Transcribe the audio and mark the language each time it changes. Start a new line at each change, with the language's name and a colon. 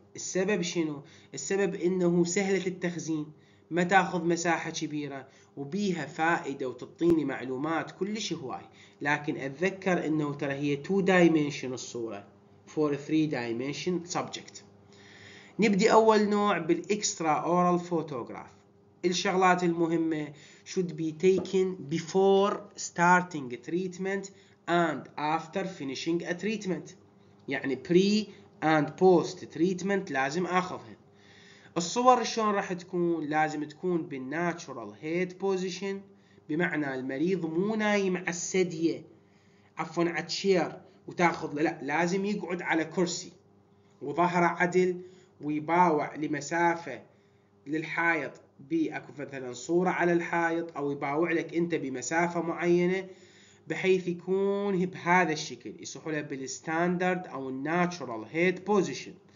Arabic: السبب شنو؟ السبب انه سهلة التخزين، ما تاخذ مساحة كبيرة، وبيها فائدة وتعطيني معلومات كلش هواي. لكن اتذكر انه ترى هي 2 دايمنشن الصورة
English: For 3 dimension subject.
Arabic: نبدي اول نوع بالاكسترا اورال فوتوغراف. الشغلات المهمة
English: should be taken before starting a treatment and after finishing a treatment، يعني pre and post treatment
Arabic: لازم اخذهن. الصور شلون راح تكون؟ لازم تكون بالناتشورال هيد بوزيشن، بمعنى المريض مو نايم على السدية، عفوا على تشير وتاخذ، لا لازم يقعد على كرسي وظهره عدل ويباوع لمسافة للحائط، بأكو مثلا صورة على الحائط أو يباوع لك أنت بمسافة معينة، بحيث يكون بهذا الشكل يصحوا له بالستاندرد أو الناتشورال هيد بوزيشن.